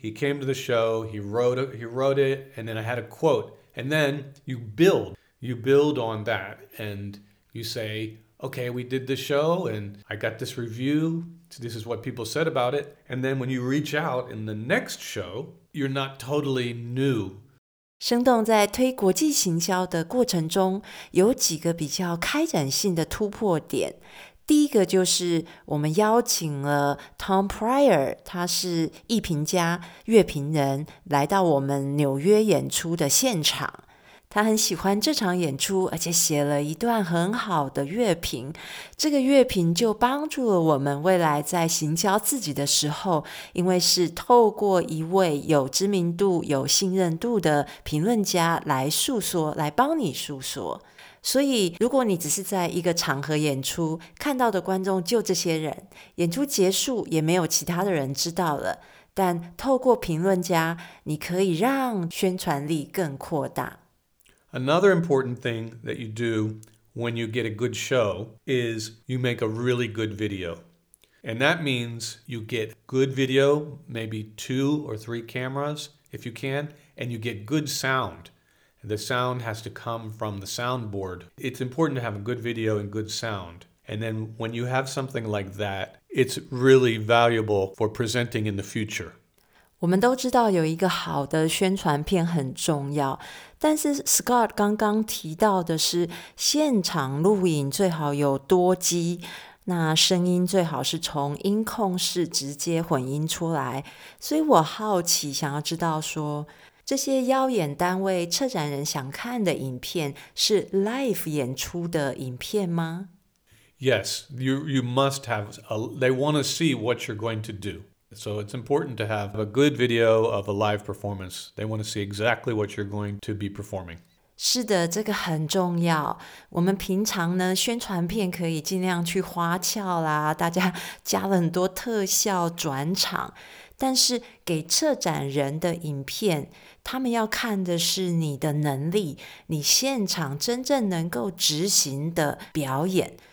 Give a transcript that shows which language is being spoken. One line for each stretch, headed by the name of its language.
English: He came to the show. He wrote it. And then I had a quote. And then you build. You build on that. And you say, okay, we did the show. And I got this review. This is what people said about it. And then when you reach out in the next show, you're not totally new.
Chinese: 声动在推国际行销的过程中有几个比较开展性的突破点第一个就是我们邀请了 Tom Pryor 他是艺评家乐评人来到我们纽约演出的现场他很喜欢这场演出而且写了一段很好的乐评这个乐评就帮助了我们未来在行销自己的时候因为是透过一位有知名度有信任度的评论家来诉说来帮你诉说所以如果你只是在一个场合演出看到的观众就这些人演出结束也没有其他的人知道了但透过评论家你可以让宣传力更扩大
English: Another important thing that you do when you get a good show is you make a really good video. And that means you get good video, maybe 2 or 3 cameras if you can, and you get good sound. The sound has to come from the soundboard. It's important to have a good video and good sound. And then when you have something like that, it's really valuable for presenting in the future.
Chinese: 我们都知道有一个好的宣传片很重要但是 Scott 刚刚提到的是现场录影最好有多机那声音最好是从音控室直接混音出来所以我好奇想要知道说这些邀演单位策展人想看的影片是 live 演出的影片吗？
English: Yes, you must have, they want to see what you're going to do. So it's important to have a good video of a live performance. They want to see exactly what you're going to be performing.
Chinese: 是的，这个很重要。我们平常呢，宣传片可以尽量去花俏啦，大家加了很多特效转场。但是给策展人的影片，他们要看的是你的能力，你现场真正能够执行的表演。